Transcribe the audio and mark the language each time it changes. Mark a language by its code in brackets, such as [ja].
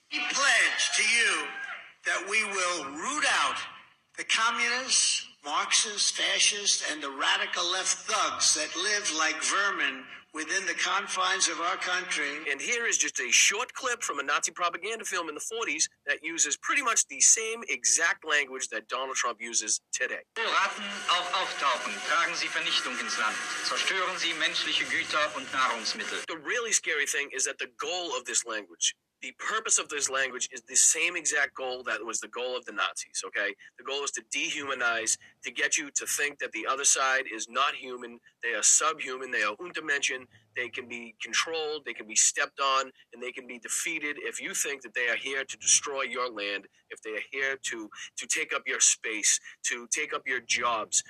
[en] We pledge to you that we will root out the communists, Marxists, fascists, and the radical left thugs that live like vermin within the confines of our country. And here is just a short clip from a Nazi propaganda film in the 40s that uses pretty much the same exact language that Donald Trump uses today. [de] Ratten auf Auftauchen, tragen sie Vernichtung ins Land, zerstören sie menschliche Güter und Nahrungsmittel. [en] The really scary thing is that the goal of this language, the purpose of this language, is the same exact goal that was the goal of the Nazis, okay? The goal is to dehumanize, to get you to think that the other side is not human, they are subhuman, they are unterdimension, they can be controlled, they can be stepped on, and they can be defeated if you think that they are here to destroy your land, if they are here to take up your space, to take up your jobs.